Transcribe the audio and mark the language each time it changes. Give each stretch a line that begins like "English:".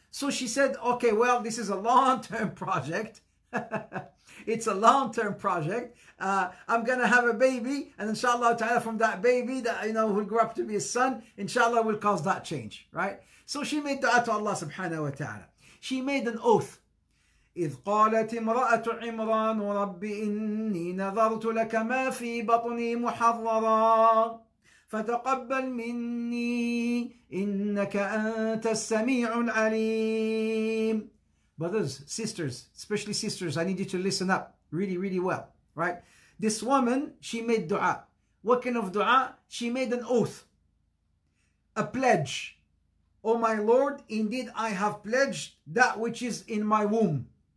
English: So she said, okay, well, this is a long-term project. It's a long-term project. I'm going to have a baby, and inshallah ta'ala, from that baby that, you know, will grow up to be a son, inshallah, will cause that change, right? So she made dua to Allah subhanahu wa ta'ala. She made an oath.
Arabic: إذ قالت امرأة عمران رب إني نذرت لك ما في بطني محررا فتقبل مني إنك أنت السميع العليم.
English: Brothers, sisters, especially sisters, I need you to listen up really, really well, right? This woman, she made dua. What kind of dua? She made an oath, a pledge. Oh my Lord, indeed I have pledged that which is in my womb.